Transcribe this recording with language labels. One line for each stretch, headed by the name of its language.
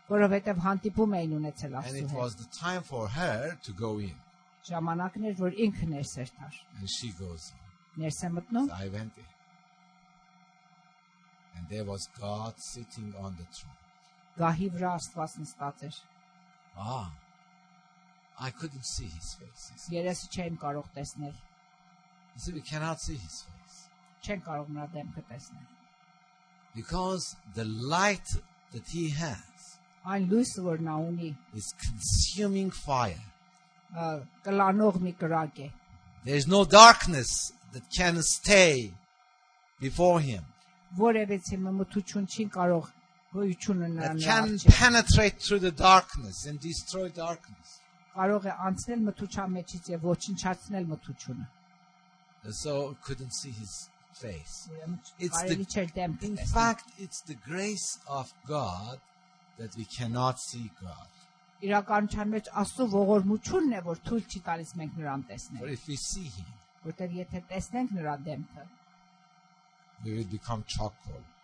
Armenian: էր հանդիպում էին ունեցել Աստծո հետ.
English: And it was the time for her to go in.
Armenian: Ժամանակն էր որ ինքը ներս էր տար.
English: And she goes.
Armenian: Ներս է մտնում.
English: I went in. And there was God sitting on the throne.
Armenian: Գահի վրա Աստված նստած էր.
English: Ah. I couldn't see his face.
Armenian: Երես չեմ կարող տեսնել.
English: You see, we cannot see his face.
Armenian: Չեն կարող նրա դեմքը տեսնել.
English: Because the light that he has.
Armenian: Այն լույսը որ նա ունի.
English: Is consuming fire.
Armenian: Կլանող մի կրակ է.
English: There is no darkness that can stay before him.
Armenian: Որևէ մթություն չի կարող գոյությունը նրան առնել.
English: Can penetrate through the darkness and destroy darkness.
Armenian: Կարող է անցնել մթության մեջից եւ ոչնչացնել մթությունը.
English: So couldn't see his face. It's the, in fact, it's the grace of God that we cannot see God. For if we see him, we will become charcoal.